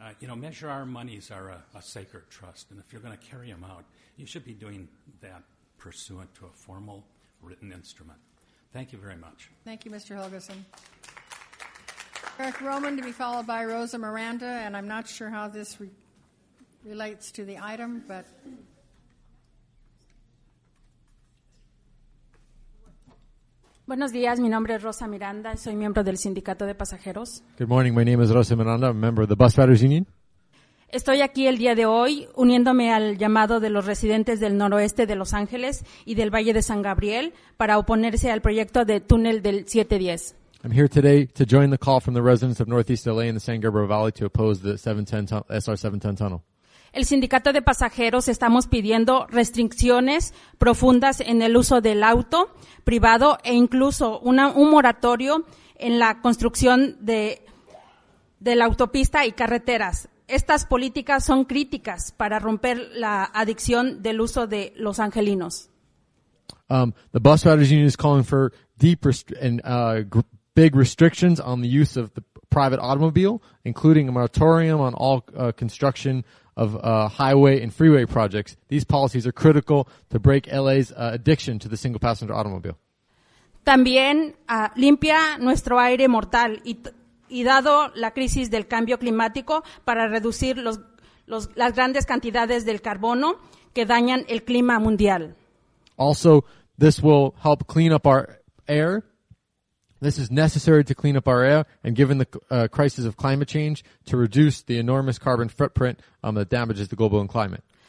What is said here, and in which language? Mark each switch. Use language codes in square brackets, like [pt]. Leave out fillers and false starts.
[en] And Measure R monies are a sacred trust, and if you're going to carry them out, you should be doing that pursuant to a formal written instrument. Thank you very much. Thank you, Mr. Helgeson. Eric Roman to be followed by Rosa Miranda, and I'm not sure how this relates to the item, but... [es] Buenos días, mi nombre es Rosa Miranda, soy miembro del sindicato de pasajeros. [en] Good morning, my name is Rosa Miranda, I'm a member of the bus riders union. [es] Estoy aquí el día de hoy uniéndome al llamado de los residentes del noroeste de Los Ángeles y del Valle de San Gabriel para oponerse al proyecto de túnel del 710. [en] I'm here today to join the call from the residents of Northeast LA and the San Gabriel Valley to oppose the SR-710 tunnel. [es] El sindicato de pasajeros estamos pidiendo restricciones profundas en el uso del auto privado e incluso un moratorio en la construcción de la autopista y carreteras. Estas políticas son críticas para romper la adicción del uso de los angelinos. [en] The bus riders union is calling for deep big restrictions on the use of the private automobile, including a moratorium on all construction of highway and freeway projects. These policies are critical to break LA's addiction to the single passenger automobile. [es] También limpia nuestro aire mortal y dado la crisis del cambio climático para reducir las grandes cantidades del carbono que dañan el clima mundial. [en] Also, this will help clean up our air. This is necessary to clean up our air and given the crisis of climate change to reduce the enormous carbon footprint that damages the global climate.